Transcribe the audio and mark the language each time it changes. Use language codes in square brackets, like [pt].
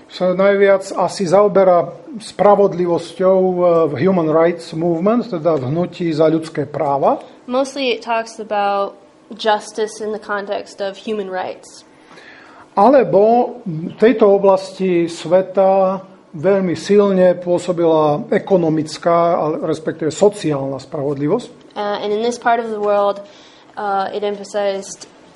[sk] sa najviac asi zaoberá spravodlivosťou v [en] human rights movement, [sk] teda v hnutí za ľudské práva. [en] Mostly it talks about justice in the context of human rights. [sk] Alebo v tejto oblasti sveta veľmi silne pôsobila ekonomická, respektíve sociálna spravodlivosť. [en] And in this part of the world, it emphasized